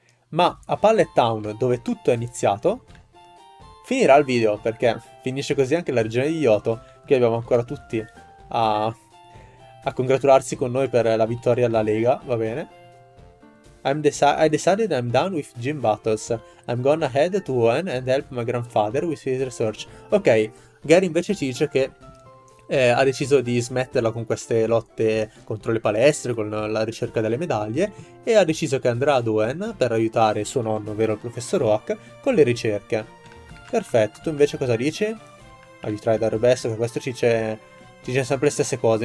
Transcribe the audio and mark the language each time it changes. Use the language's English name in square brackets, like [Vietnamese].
[Italian] Ma a Pallet Town, dove tutto è iniziato, finirà il video, perché finisce così anche la regione di Johto, che abbiamo ancora tutti a congratularsi con noi per la vittoria alla Lega, va bene? [English] I decided I'm done with gym battles. I'm gonna head to Hoenn and help my grandfather with his research. [Italian] Ok, Gary invece ci dice che ha deciso di smetterla con queste lotte contro le palestre, con la ricerca delle medaglie, e ha deciso che andrà ad Hoenn per aiutare suo nonno, ovvero il professor Oak, con le ricerche. Perfetto, tu invece cosa dici? Aiutare da Robesto, che questo ci dice sempre le stesse cose.